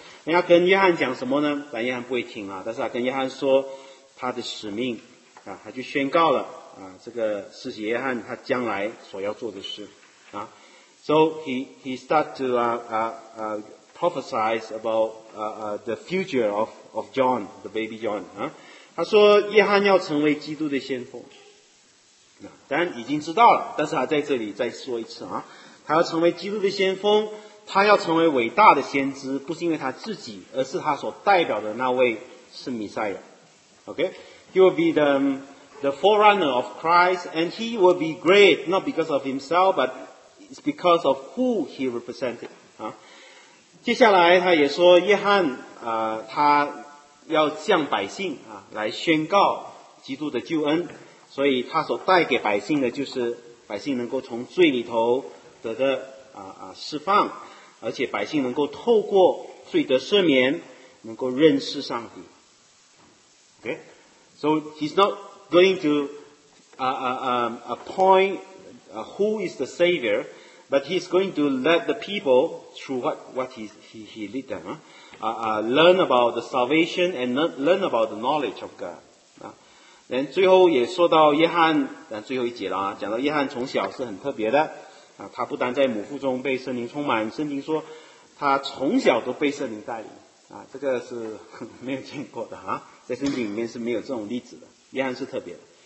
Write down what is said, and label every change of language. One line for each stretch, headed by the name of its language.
Chinese: 那他跟约翰讲什么呢？但约翰不会听啊，但是他跟约翰说他的使命啊，他就宣告了啊，这个施洗约翰他将来所要做的事啊 ，
English: so he start to prophesize about the future of John, the baby John
Chinese: 啊，他说约翰要成为基督的先锋。当然已经知道了，但是他在这里再说一次啊，他要成为基督的先锋，他要成为伟大的先知，不是因为他自己，而是他所代表的那位是弥赛亚。
English: OK, he will be the forerunner of Christ, and he will be great not because of himself, but it's because of who he represented.
Chinese: 啊，接下来他也说约翰他要向百姓啊来宣告基督的救恩。所以他所带给百姓的就是百姓能够从罪里头得的释放，而且百姓能够透过罪得赦免能够认识上帝。
English: Okay, so he's not going to appoint who is the Savior, but he's going to let the people, through what he lead them, learn about the salvation and learn about the knowledge of God.
Chinese: 然后最后也说到约翰，然后最后一节了，讲到约翰从小是很特别的，他不单在母腹中被圣灵充满，圣经说他从小都被圣灵带领，这个是没有见过的，在圣经里面是没有这种例子的，约翰是特别的，